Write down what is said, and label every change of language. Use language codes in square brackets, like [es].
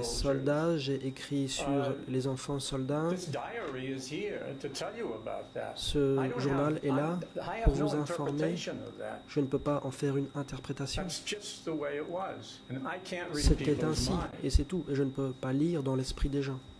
[fr] Ces soldats, j'ai écrit sur les enfants soldats. [en] This diary is here to tell you about that. [fr] Ce journal est là pour vous informer. Je ne peux pas en faire une interprétation. [en] That's just the way it was. And I can't read [fr] C'était ainsi, et c'est tout. Et je ne peux pas lire dans l'esprit des gens.